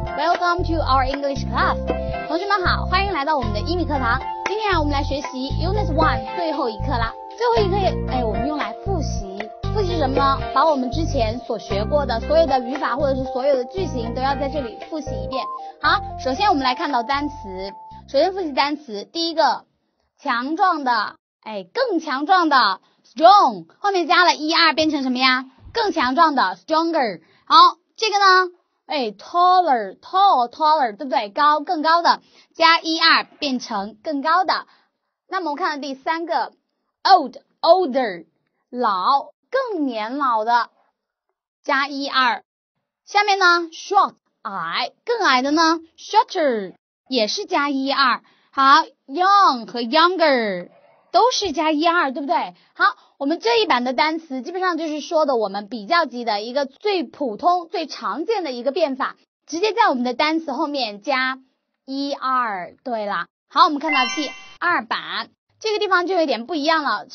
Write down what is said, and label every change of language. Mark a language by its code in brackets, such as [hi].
[en] Welcome to our English class. [zh] 同学们好，欢迎来到我们的英语课堂。今天我们来学习 Unit 1最后一课啦。最后一课，我们用来复习。复习什么呢？把我们之前所学过的所有的语法或者是所有的句型都要在这里复习一遍。好，首先我们来看到单词。首先复习单词，第一个，强壮的，更强壮的 ，strong， 后面加了ER变成什么呀？更强壮的 ，stronger。好，这个呢，taller， 对不对？高，更高的，加ER变成更高的。那么我们看到第三个 ，older， 老，更年老的，加ER。下面呢 ，short， 矮，更矮的呢 ，shorter， 也是加ER。好 ，young 和 younger。都是加ER，对不对？好，我们这一版的单词基本上就是说的我们比较级的一个最普通最常见的一个变法，直接在我们的单词后面加 ER。对了，好，我们看到第二版，这个地方就有点不一样了。